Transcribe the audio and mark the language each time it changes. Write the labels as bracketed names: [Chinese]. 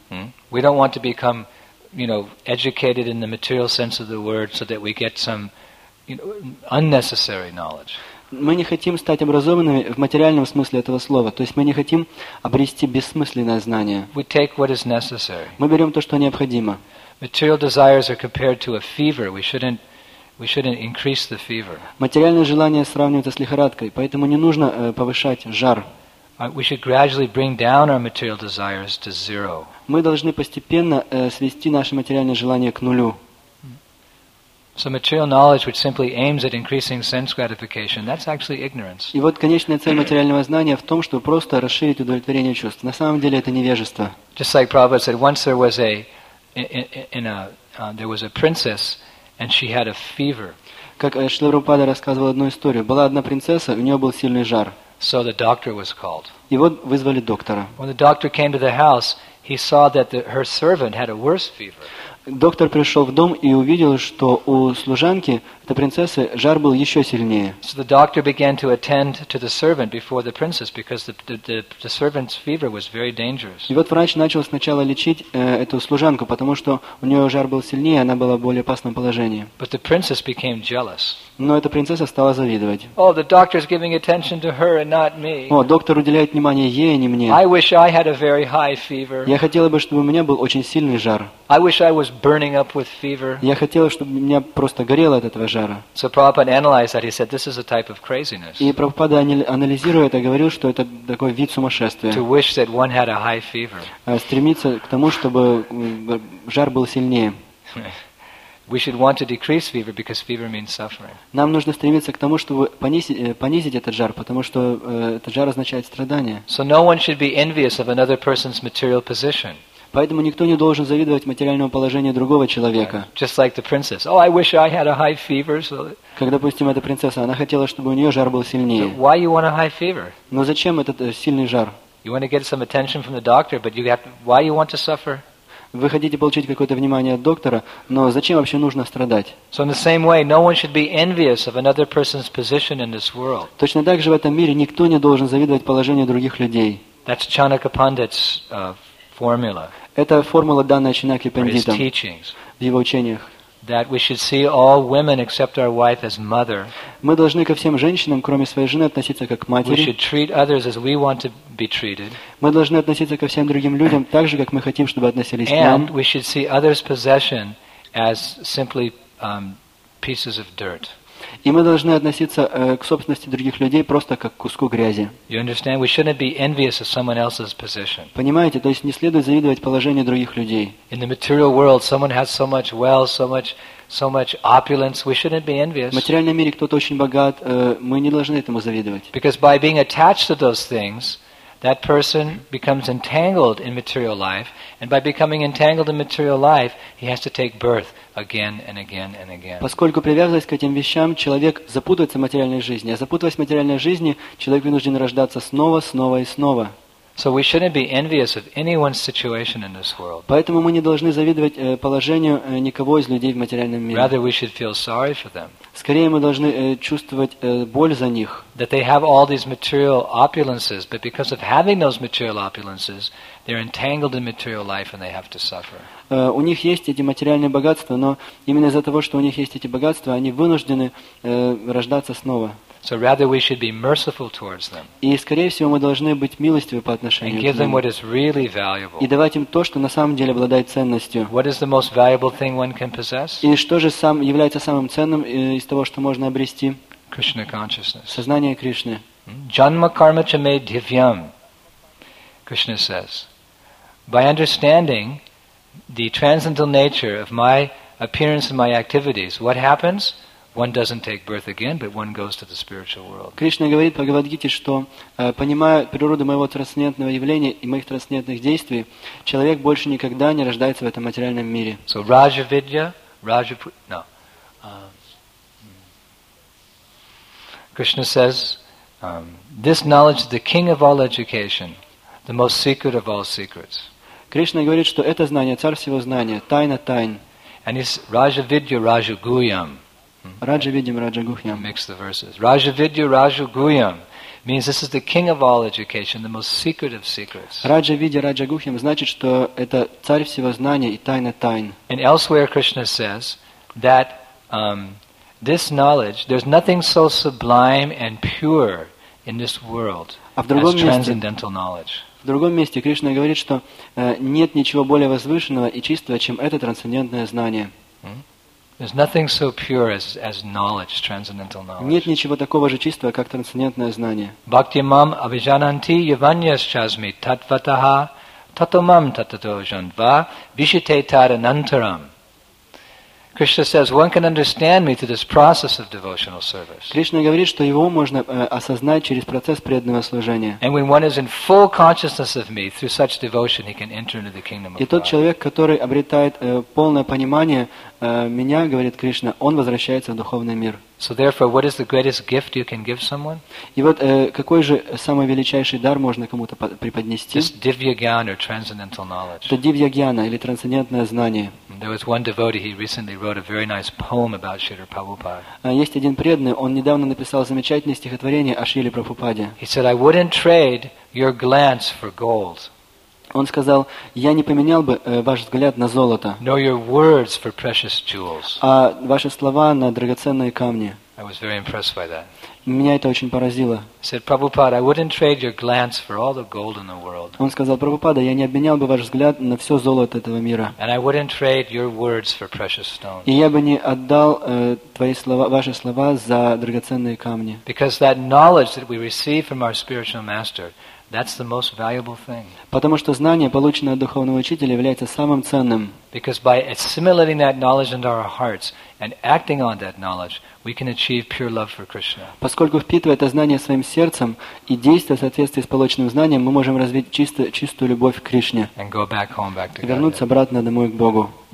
[English] We don't want to become, you know, educated in the material sense of the word so that we get some, you know, unnecessary knowledge. [Russian] Мы не хотим стать образованными в материальном смысле этого слова, то есть мы не хотим обрести бессмысленное знание. [English] We take what is necessary. [Russian] Мы берём то, что необходимо. [English] Material desires are compared to a fever. We shouldn't increase the fever. [Russian] Материальные желания сравниваются с лихорадкой, поэтому не нужно повышать жар. [English] We should gradually bring down our material desires to zero. [Russian] Мы должны постепенно свести наши материальные желания к нулю. [English] So material knowledge, which simply aims at increasing sense gratification, that's actually ignorance. [Russian] И вот конечная цель материального знания в том, чтобы просто расширить удовлетворение чувств. На самом деле это невежество. [English] Just like Prabhupada said, once there was a in a there was a princess and she had a fever. [Russian] Как Шрила Прабхупада рассказывал одну историю. Была одна принцесса, у нее был сильный жар. [English] So the doctor was called. [Russian] И вот вызвали доктора. [English] When the doctor came to the house, he saw that her servant had a worse fever. [Russian] Доктор пришел в дом и увидел, что у служанки, этой принцессы, жар был еще сильнее. [English] So the doctor began to attend to the servant before the princess because the servant's fever was very dangerous. [Russian] И вот врач начал сначала лечить эту служанку, потому что у нее жар был сильнее, она была в более опасном положении. [English] But the princess became jealous. [Russian] Но эта принцесса стала завидовать. [English] Oh, the doctor is giving attention to her and not me. [Russian] О, доктор уделяет внимание ей, а не мне. [English] I wish I had a very high fever. [Russian] Я хотела бы, чтобы у меня был очень сильный жар. [English] I wish I was burning up with fever. [Russian] Я хотела, чтобы меня просто горело от этого жара. [English] So Prabhupada analyzed that. He said, "This is a type of craziness." [Russian] И Прабхупада анализируя это, говорил, что это такой вид сумасшествия. [English] To wish that one had a high fever. [Russian] Стремиться к тому, чтобы жар был сильнее. [English] We should want to decrease fever because fever means suffering. [Russian] Нам нужно стремиться к тому, чтобы понизить этот жар, потому что этот жар означает страдание. [English] So no one should be envious of another person's material position. [Russian] Поэтому никто не должен завидовать материальному положению другого человека. [English] Just like the princess. Oh, I wish I had a high fever. So... [Russian] Как, допустим, эта принцесса, она хотела, чтобы у нее жар был сильнее. [English] So why you want a high fever? [Russian] Но зачем этот сильный жар? [English] You want to get some attention from the doctor, but you have to... Why you want to suffer? [Russian] Вы хотите получить какое-то внимание от доктора, но зачем вообще нужно страдать? [English] So in the same way, no one should be envious of another person's position in this world. [Russian] Точно так же в этом мире никто не должен завидовать положению других людей. [English] That's Chanaka Pandit's formula. [Russian] Это формула, данная Чинакья Пандитом в его учениях. [English] That we should see all women except our wife as mother. [Russian] Мы должны ко всем женщинам, кроме своей жены, относиться как к матери. [English] We should treat others as we want to be treated. [Russian] Мы должны относиться ко всем другим людям так же, как мы хотим, чтобы относились к нам. [English] And we should see others' possession as simply pieces of dirt. [Russian] И мы должны относиться к собственности других людей просто как к куску грязи. [English] You understand? We shouldn't be envious of someone else's position. [Russian] Понимаете? То есть не следует завидовать положению других людей. [English] In the material world, someone has so much wealth, so much opulence. We shouldn't be envious. [Russian] В материальном мире кто-то очень богат, мы не должны этому завидовать. [English] Because by being attached to those things, that person becomes entangled in material life, and by becoming entangled in material life, he has to take birth again and again and again. [Russian] Поскольку привязываясь к этим вещам, человек запутывается в материальной жизни, а запутываясь в материальной жизни, человек вынужден рождаться снова, снова и снова. [English] So we shouldn't be envious of anyone's situation in this world. [Russian] Поэтому мы не должны завидовать положению никого из людей в материальном мире. [English] Rather, we should feel sorry for them. [Russian] Скорее мы должны чувствовать боль за них. [English] That they have all these material opulences, but because of having those material opulences, they're entangled in material life and they have to suffer. [Russian] У них есть эти материальные богатства, но именно из-за того, что у них есть эти богатства, они вынуждены рождаться снова. [English] So rather we should be merciful towards them. [Russian] И скорее всего мы должны быть милостивы по отношению к ним. [English] And give them what is really valuable. [Russian] И давать им то, что на самом деле обладает ценностью. [English] What is the most valuable thing one can possess? [Russian] И что же является самым ценным из того, что можно обрести? [English] Krishna consciousness. [Russian] Сознание Кришны. [Sanskrit] Janma karma cha me divyam. [English] Krishna says, by understanding the transcendental nature of my appearance and my activities, what happens? One doesn't take birth again, but one goes to the spiritual world. [Russian] Кришна говорит, Бхагавад-гите, что понимая природу моего трансцендентного явления и моих трансцендентных действий, человек больше никогда не рождается в этом материальном мире. [English] So Raja Vidya, Raja no. Krishna says, this knowledge is the king of all education, the most secret of all secrets. [Russian] Кришна говорит, что это знание, царь всего знания, тайна тайн. [English] And it's Raja Vidya, Raja Guyam. [Sanskrit] Raja Vidyam, Raja Guhyam. [English] Mix the verses. Raja Vidya, Raja Guhyam means this is the king of all education, the most secret of secrets. [Sanskrit] Raja Vidya, Raja Guhyam [Russian] значит, что это царь всего знания и тайна тайн. [English] And elsewhere Krishna says that this knowledge, there's nothing so sublime and pure in this world as transcendental knowledge. [Russian] В другом месте Кришна говорит, что нет ничего более возвышенного и чистого, чем это трансцендентное знание. [English] There's nothing so pure as knowledge, transcendental knowledge. [Russian] Нет ничего такого же чистого, как трансцендентное знание. [Sanskrit] Bhaktimam avijananti yavanyaschasmi tatvataha tatomam tatato janva vishite tadanantaram. [English] Krishna says one can understand me through this process of devotional service. [Russian] Кришна говорит, что его можно осознать через процесс преданного служения. [English] And when one is in full consciousness of me through such devotion, he can enter into the kingdom of God. [Russian] И тот человек, который обретает полное понимание меня, говорит Кришна, он возвращается в духовный мир. [English] So therefore, what is the greatest gift you can give someone? [Russian] И вот какой же самый величайший дар можно кому-то преподнести? [English] This divya gyan or transcendental knowledge. [Russian] Это дивья гьяна или трансцендентное знание. [English] There was one devotee. He recently wrote a very nice poem about Srila Prabhupada. [Russian] Есть один преданный. Он недавно написал замечательное стихотворение о Шриле Прабхупаде. [English] He said, "I wouldn't trade your glance for gold." [Russian] Он сказал, я не поменял бы ваш взгляд на золото. [English] Nor your words for precious jewels. [Russian] А ваши слова на драгоценные камни. [English] I was very impressed by that. [Russian] Меня это очень поразило. [English] He said, "Prabhupada, I wouldn't trade your glance for all the gold in the world." [Russian] Он сказал, Прабхупада, я не обменял бы ваш взгляд на все золото этого мира. [English] And I wouldn't trade your words for precious stones. [Russian] И я бы не отдал твои слова, ваши слова за драгоценные камни. [English] Because that knowledge that we receive from our spiritual master, that's the most valuable thing. [Russian] Потому что знание, полученное от духовного учителя, является самым ценным. [English] Because by assimilating that knowledge into our hearts and acting on that knowledge, we can achieve pure love for Krishna. [Russian] Поскольку впитывая это знание своим сердцем и действуя в соответствии с полученным знанием, мы можем развить чистую любовь к Кришне. [English] And go back home, back to God. [Russian] И вернуться обратно домой к Богу.